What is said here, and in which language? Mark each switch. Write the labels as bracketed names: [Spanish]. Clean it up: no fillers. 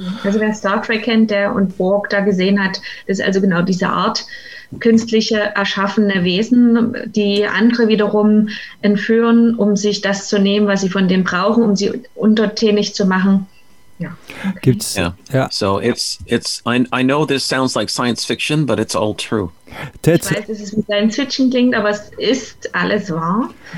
[German] Also wer Star Trek kennt, der und Borg da gesehen hat, ist also genau diese Art künstliche erschaffene Wesen, die andere wiederum entführen, um sich das zu nehmen, was sie von denen brauchen, um sie untertänig zu machen. Yeah. Gibt's, yeah. [English] So it's I know this sounds like science fiction, but it's all true. [German] Ich weiß, dass es mit Science Fiction klingt, aber es ist alles wahr.